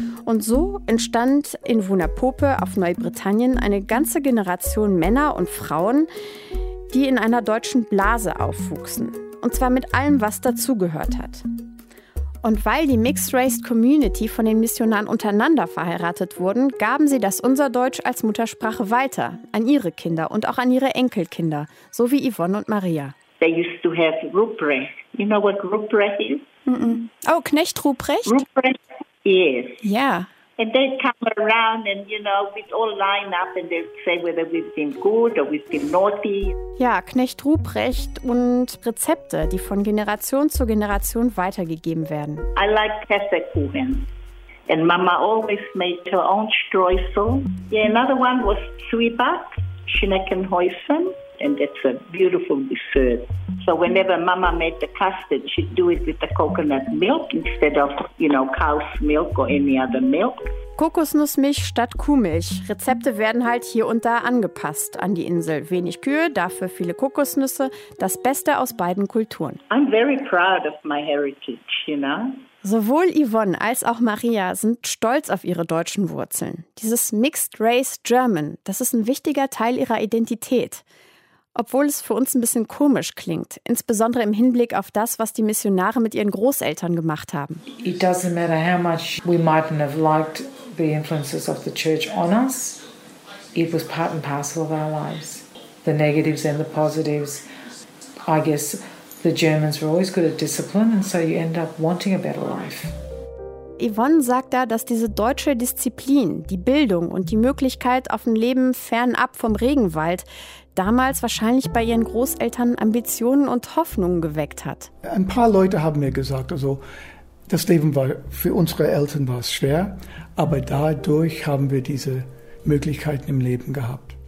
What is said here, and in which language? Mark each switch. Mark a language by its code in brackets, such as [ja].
[de] Und so entstand in Wunapope auf Neubritannien eine ganze Generation Männer und Frauen, die in einer deutschen Blase aufwuchsen. Und zwar mit allem, was dazugehört hat. Und weil die Mixed-Race-Community von den Missionaren untereinander verheiratet wurden, gaben sie das Unser-Deutsch als Muttersprache weiter, an ihre Kinder und auch an ihre Enkelkinder, so wie Yvonne und Maria. [en] They used to have Ruprecht. You know what Ruprecht is? Mm-mm. Oh, Knecht Ruprecht? Ruprecht, yes. Yeah. And they'd come around and, you know, we'd all line up and they'd say whether we've been good or we've been naughty. [de] Ja, Knecht Ruprecht und Rezepte, die von Generation zu Generation weitergegeben werden. [en] I like Käsekuchen. And Mama always made her own Streusel. Yeah, another one was Zwieback, Schneckenhäuschen. And that's a beautiful dessert. So whenever Mama made the custard, she'd do it with the coconut milk instead of, you know, cow's milk or any other milk. [de] Kokosnussmilch statt Kuhmilch. Rezepte werden halt hier und da angepasst an die Insel. Wenig Kühe, dafür viele Kokosnüsse. Das Beste aus beiden Kulturen. [en] I'm very proud of my heritage, you know. [de] Sowohl Yvonne als auch Maria sind stolz auf ihre deutschen Wurzeln. Dieses Mixed Race German, das ist ein wichtiger Teil ihrer Identität. Obwohl es für uns ein bisschen komisch klingt, insbesondere im Hinblick auf das, was die Missionare mit ihren Großeltern gemacht haben. [en] It doesn't matter how much we mightn't have liked the influences of the church on us, it was part and parcel of our lives. The negatives and the positives. I guess the Germans were always good at discipline and so you end up wanting a better life. [de] Yvonne sagt da, dass diese deutsche Disziplin, die Bildung und die Möglichkeit auf ein Leben fernab vom Regenwald damals wahrscheinlich bei ihren Großeltern Ambitionen und Hoffnungen geweckt hat. Ein paar Leute haben mir gesagt, also das Leben war für unsere Eltern war es schwer, aber dadurch haben wir diese Möglichkeiten im Leben gehabt.